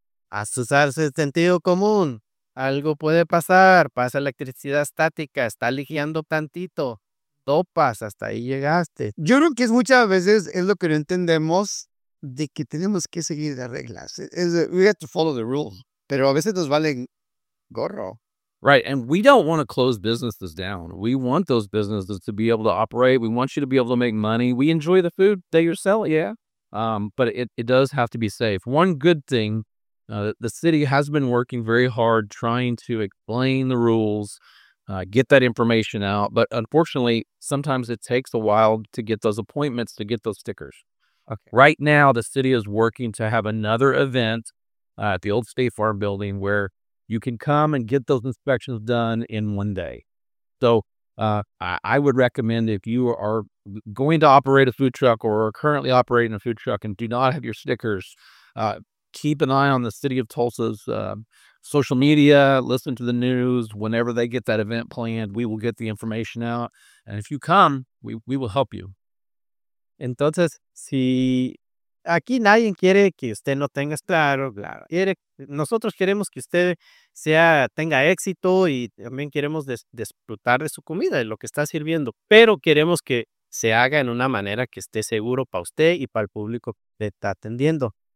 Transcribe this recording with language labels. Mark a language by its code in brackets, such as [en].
[es] A usarse el sentido común, algo puede pasar, pasa electricidad estática, está ligeando tantito, topas, hasta ahí llegaste. Yo creo que es muchas veces es lo que no entendemos de que tenemos que seguir las reglas. [en] We have to follow the rules, [es] pero a veces nos valen gorro. [en] Right. And we don't want to close businesses down. We want those businesses to be able to operate. We want you to be able to make money. We enjoy the food that you're selling. Yeah. But it does have to be safe. One good thing, the city has been working very hard trying to explain the rules, get that information out. But unfortunately, sometimes it takes a while to get those appointments, to get those stickers. Okay. Right now, the city is working to have another event at the old State Farm building where you can come and get those inspections done in one day. So I would recommend if you are going to operate a food truck or are currently operating a food truck and do not have your stickers, keep an eye on the city of Tulsa's social media, listen to the news. Whenever they get that event planned, we will get the information out. And if you come, we will help you. [es] Entonces, si... Aquí nadie quiere que usted no tenga claro, claro. Nosotros queremos que usted tenga éxito y también queremos disfrutar de su comida, de lo que está sirviendo. Pero queremos que se haga en una manera que esté seguro para usted y para el público que le está atendiendo.